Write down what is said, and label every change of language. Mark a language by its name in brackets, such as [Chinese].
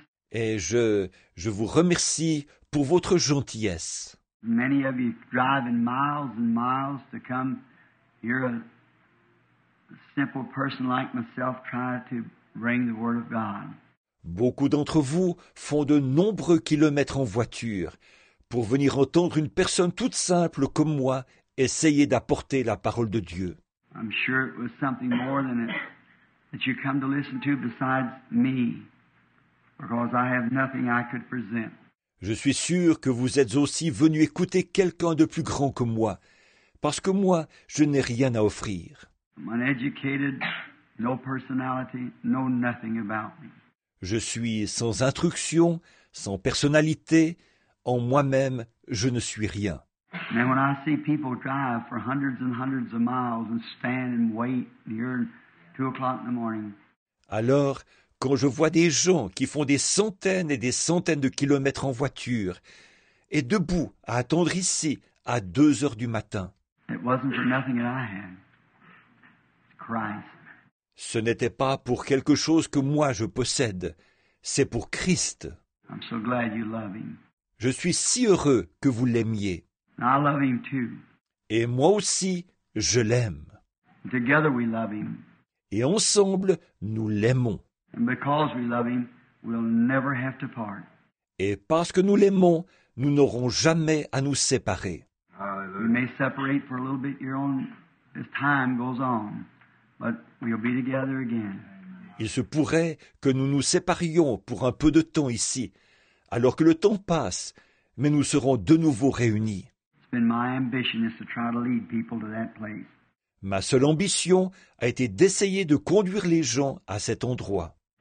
[French] Et je vous remercie pour votre gentillesse. [English] Many of you driving miles and miles to come hear a simple person like myself try to bring the word of God. [French] Beaucoup d'entre vous font de nombreux kilomètres en voiture pour venir entendre une personne toute simple comme moi essayer d'apporter la parole de Dieu. [English] I'm sure it was something more than it that you come to listen to besides me, because I have nothing I could present. [French] Je suis sûr que vous êtes aussi venu écouter quelqu'un de plus grand que moi, parce que moi, je n'ai rien à offrir. [English] I'm uneducated, no personality, no nothing about me. [French] Je suis sans instruction, sans personnalité, en moi-même, je ne suis rien. [English] And when I see people drive for hundreds and hundreds of miles and stand and wait near 2 o'clock in the morning. [French] Alors, quand je vois des gens qui font des centaines et des centaines de kilomètres en voiture et debout à attendre ici à 2 heures du matin. [English] It wasn't for nothing that I had. Christ. [French] Ce n'était pas pour quelque chose que moi je possède, c'est pour Christ. [English] I'm so glad you love him. [French] Je suis si heureux que vous l'aimiez. [English] I love him too. [French] Et moi aussi, je l'aime. [English] Together we love him. [French] Et ensemble, nous l'aimons. [English] And because we love him, we'll never have to part. [French] Et parce que nous l'aimons, nous n'aurons jamais à nous séparer. [English] We may separate for a little bit here on as time goes on, but we'll be together again. [French] Il se pourrait que nous nous séparions pour un peu de temps ici, alors que le temps passe, mais nous serons de nouveau réunis. [English] It's been my ambition is to try to lead people to that place. [French] Ma seule ambition a été d'essayer de conduire les gens à cet endroit.